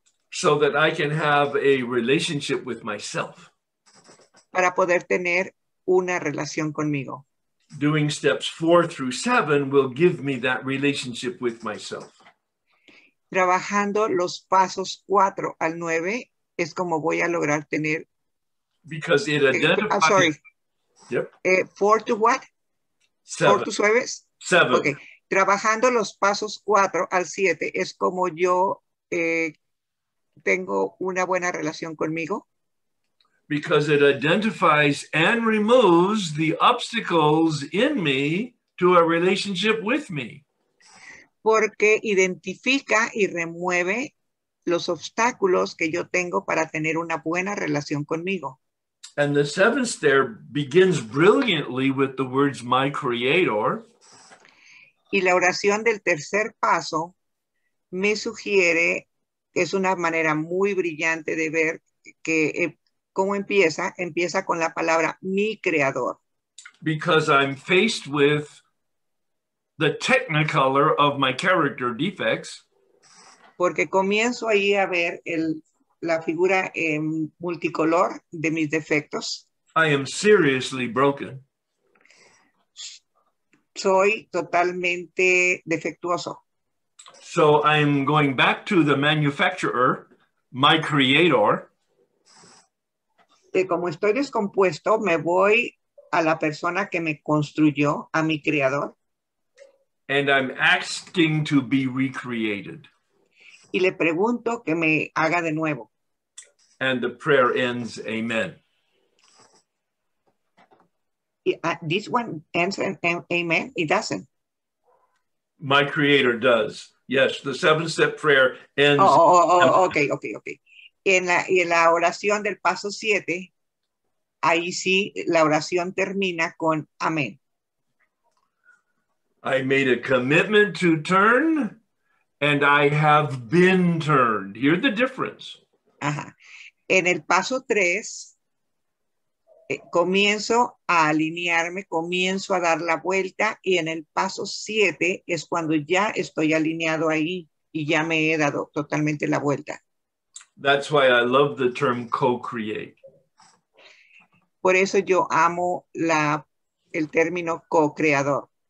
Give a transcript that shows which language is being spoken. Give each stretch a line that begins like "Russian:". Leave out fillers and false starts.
English: So that I can have a relationship with myself.
Spanish: Para poder tener una relación conmigo.
English: Doing steps 4 through 7 will give me that relationship with myself.
Spanish: Trabajando los pasos 4 al 9 es como voy a lograr tener.
English: Because it identifies. Yep. 4 to what? 7. 4 to 7? 7. Okay.
Spanish: Trabajando los pasos 4 al 7 es como yo tengo una buena relación conmigo.
English: Because it identifies and removes the obstacles in me to a relationship with me.
Spanish: Porque identifica y remueve los obstáculos que yo tengo para tener una buena relación conmigo.
English: And the seventh stair begins brilliantly with the words, my creator.
Spanish: Y la oración del tercer paso me sugiere, es una manera muy brillante de ver que cómo empieza. Empieza con la palabra mi creador.
English: Because I'm faced with the technicolor of my character defects.
Spanish: Porque comienzo ahí a ver la figura multicolor de mis defectos.
English: I am seriously broken.
Spanish: Soy totalmente defectuoso.
English: So I'm going back to the manufacturer, my creator.
Spanish: Como estoy descompuesto, me voy a la persona que me construyó, a mi creador.
English: And I'm asking to be recreated.
Spanish: Y le pregunto que me haga de nuevo.
English: And the prayer ends, amen. This one ends in amen. It doesn't. My creator does. Yes, the seven-step prayer ends. Okay.
Spanish: En la oración del paso siete, ahí sí, la oración termina con amén.
English: I made a commitment to turn, and I have been turned. Hear the difference. Ajá.
Spanish: En el paso tres, comienzo a alinearme, comienzo a dar la vuelta, y en el paso siete es cuando ya estoy alineado ahí y ya me he dado totalmente la vuelta.
English: That's why I love the term co-create.
Spanish: Por eso yo amo el término co-creador.